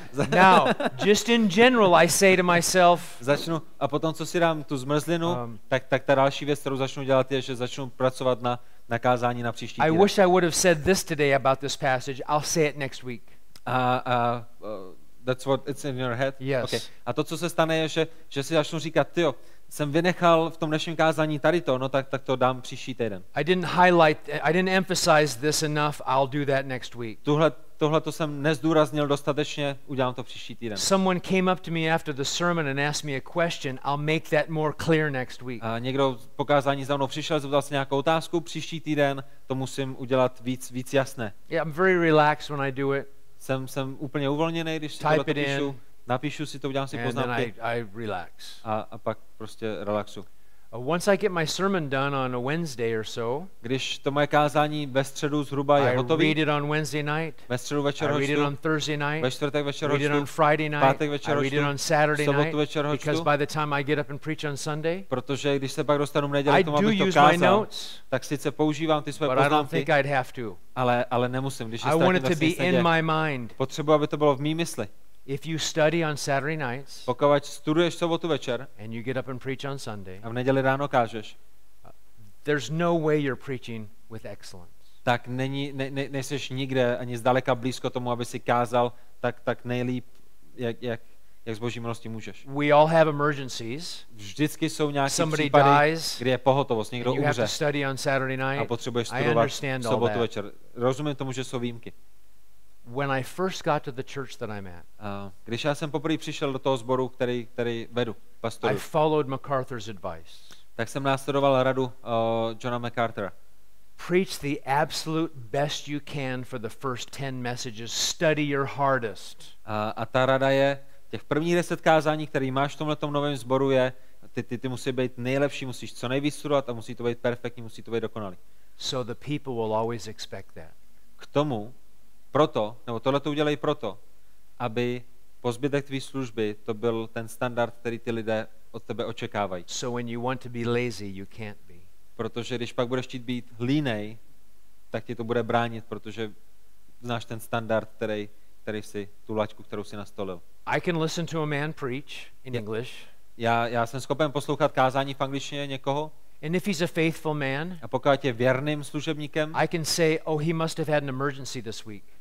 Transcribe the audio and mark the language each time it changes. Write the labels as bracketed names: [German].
[English] Now, just in general, I say to myself. [Czech] Začnu a potom co si dám tu zmrzlinu, tak ta další věc, kterou začnu dělat, je, že začnu pracovat na nakázání na příští týden. [English] I wish I would have said this today about this passage. I'll say it next week. [Czech] A [English] That's what it's in your head. Yes. Okay. [Czech] A to, co se stane, je, že si začnu říkat, tyjo, jsem vynechal v tom dnešním kázání tady to, no tak to dám příští týden. [English] I didn't highlight, I didn't emphasize this enough. I'll do that next week. [Czech] Tohle to jsem nezdůraznil dostatečně, udělám to příští týden. [English] Someone came up to me after the sermon and asked me a question. I'll make that more clear next week. [Czech] A někdo po kázání za mnou přišel, zeptal se nějakou otázku, příští týden to musím udělat víc jasné. [English] Yeah, I'm very relaxed when I do it. [Czech] Jsem úplně uvolněný, když si [English] type [Czech] to napíšu. Napíšu si to, udělám si poznámky. [English] I relax. [Czech] A pak prostě relaxu. [English] Once I get my sermon done on a Wednesday or so, [Czech] když to moje kázání ve středu zhruba je hotové, [English] I read it on Wednesday night. [Czech] Ve středu večer [English] I read it on Thursday night. [Czech] Ve čtvrtek večer [English] I read it on Friday night. [Czech] Pátek večer [English] I read it on Saturday night. [Czech] Sobotu večer hoštu. [English] Because by the time I get up and preach on Sunday, [Czech] protože když se pak dostanu v neděli k tomu, abych to kázal, [English] notes, [Czech] tak sice používám ty své [English] but [Czech] poznámky, [English] I don't think I'd have to. [Czech] Ale nemusím, když [English] I want it to be in my mind. [Czech] Potřebuji, aby to bylo v mý mysli. [English] If you study on Saturday nights, [Czech] pokud studuješ sobotu večer, [English] and you get up and preach on Sunday, [Czech] a v neděli ráno kážeš, [English] there's no way you're preaching with excellence. [Czech] Tak není, nejseš nikde ani zdaleka blízko tomu, aby si kázal tak nejlíp, jak z Boží milosti můžeš. [English] We all have emergencies. [Czech] Vždycky jsou nějaké [English] somebody [Czech] případy, [English] dies, [Czech] kdy je pohotovost, někdo [English] and you [Czech] umře. [English] Have to study on Saturday night. [Czech] A potřebuješ studovat sobotu večer. Rozumím tomu, že jsou výjimky. [English] When I first got to the church that I'm at, [Czech] když já jsem poprvé přišel do toho sboru, který vedu, pastoru, [English] I followed MacArthur's advice. [Czech] Tak jsem následoval radu Johna MacArthura. [English] Preach the absolute best you can for the first 10 messages. Study your hardest. [Czech] A ta rada je, těch prvních 10 kázání, které máš v tomhletom novém sboru, je, ty musí být nejlepší, musíš co nejvíc studovat a musí to být perfektní, musí to být dokonalý. [English] So the people will always expect that. [Czech] K tomu proto, nebo tohle to udělej proto, aby po zbytek tvý služby to byl ten standard, který ty lidé od tebe očekávají. [English] So when you want to be lazy, you can't be. [Czech] Protože když pak budeš chtít být línej, tak ti to bude bránit, protože znáš ten standard, který si tu laťku, kterou si nastolil. [English] I can listen to a man preach in English. [Czech] Já jsem schopen poslouchat kázání v angličtině někoho. [English] And if he's a faithful man, [Czech] a pokud je věrným služebníkem, [English] I can say, oh, he must have had an emergency this week.